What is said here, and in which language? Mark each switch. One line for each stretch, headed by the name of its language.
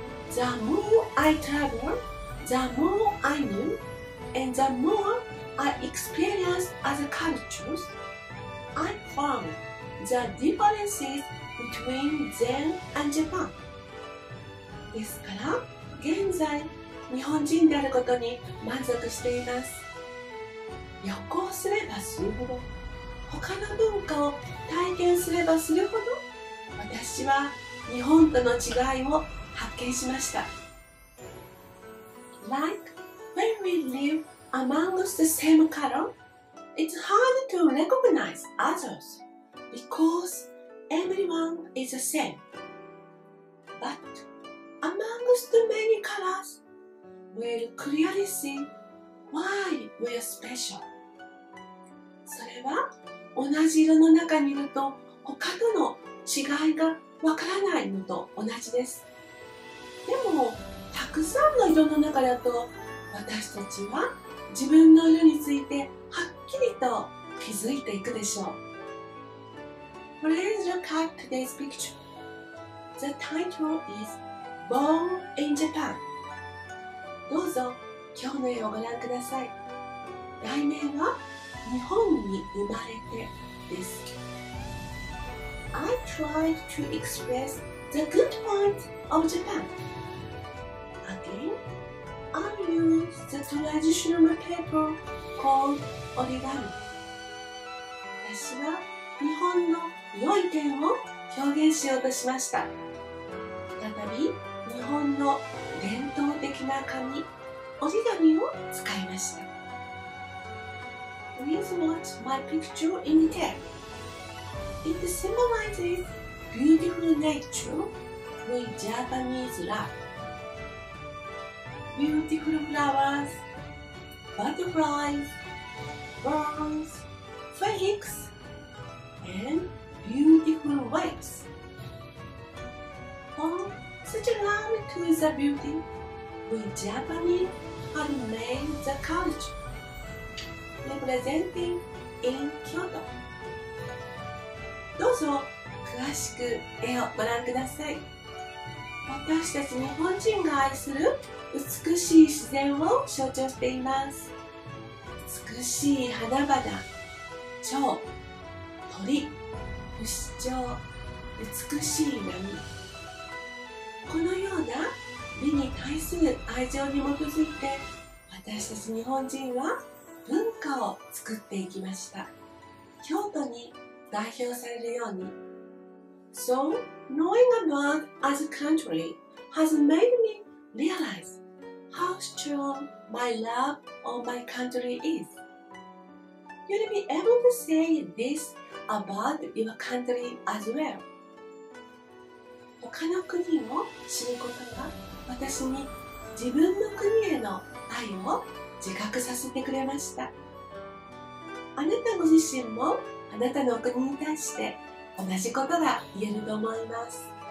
English: The more I travel, the more I learn, and the more I experience other cultures, I found the differences between them and Japan.
Japanese: ですから、現在、日本人であることに満足しています。旅行すればするほど、他の文化を体験すればするほど、私は日本との違いを発見しました。
English: Like when we live amongst the same color, it's hard to recognize others because everyone is the same. But amongst many colorsWe'll clearly see why we're special.
Japanese: それは同じ色の中にいると他との違いがわからないのと同じです。でもたくさんの色の中だと私たちは自分の色についてはっきりと気づいていくでしょう。
English: Please look at today's picture. The title is Born in Japan.
Japanese: どうぞ今日の絵をご覧ください。題名は日本に生まれてです。
English: I tried to express the good points of Japan. Again, I used the traditional paper called origami.
Japanese: 私は日本の良い点を表現しようとしました。再び日本の伝統的な紙、折り紙を使いました。
English: Please watch my picture in detail. It symbolizes beautiful nature with Japanese love. Beautiful flowers, butterflies, birds, phoenix, and beautiful waves. Such a love to the beauty we Japanese have made the culture representing in Kyoto.
Japanese: どうぞ詳しく絵をご覧ください。私たち日本人が愛する美しい自然を象徴しています。美しい花々、蝶、鳥、不死鳥、美しい波、このような美に対する愛情に基づいて、私たち日本人は文化を作っていきました。京都に代表されるように。
English: So, knowing about as a country has made me realize how strong my love of my country is. You'll be able to say this about your country as well.
Japanese: 他の国を知ることが私に自分の国への愛愛を自覚させてくれました。あなたご自身もあなたのお国に対して同じことが言えると思います。